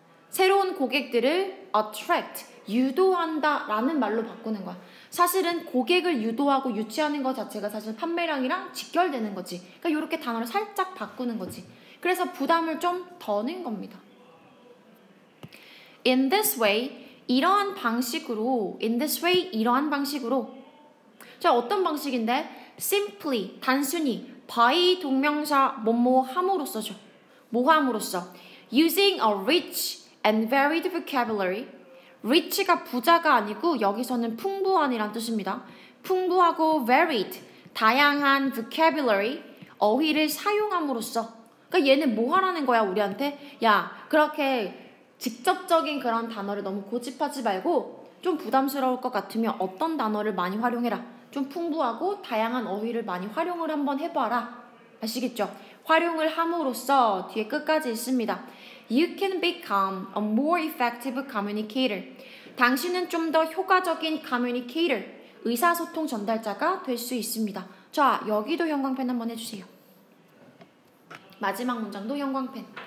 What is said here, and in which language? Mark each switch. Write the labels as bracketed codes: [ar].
[ko] 새로운 고객들을 attract, 유도한다 라는 말로 바꾸는 거야. 사실은 고객을 유도하고 유치하는 것 자체가 사실 판매량이랑 직결되는 거지. 그러니까 요렇게 단어를 살짝 바꾸는 거지. 그래서 부담을 좀 더는 겁니다. [en] In this way, [ko] 이러한 방식으로, [en] in this way, [ko] 이러한 방식으로. 자, 어떤 방식인데? simply, 단순히, by 동명사 뭐뭐 함으로써죠. 뭐 함으로써? [en] using a rich and varied vocabulary, [ko] rich가 부자가 아니고 여기서는 풍부한이란 뜻입니다. 풍부하고 varied, 다양한 vocabulary, 어휘를 사용함으로써. 그러니까 얘는 뭐 하라는 거야 우리한테? 야, 그렇게 직접적인 그런 단어를 너무 고집하지 말고 좀 부담스러울 것 같으면 어떤 단어를 많이 활용해라. 좀 풍부하고 다양한 어휘를 많이 활용을 한번 해봐라. 아시겠죠? 활용을 함으로써 뒤에 끝까지 있습니다. [en] You can become a more effective communicator. [ko] 당신은 좀 더 효과적인 communicator, 의사소통 전달자가 될 수 있습니다. 자, 여기도 형광펜 한번 해주세요. 마지막 문장도 형광펜.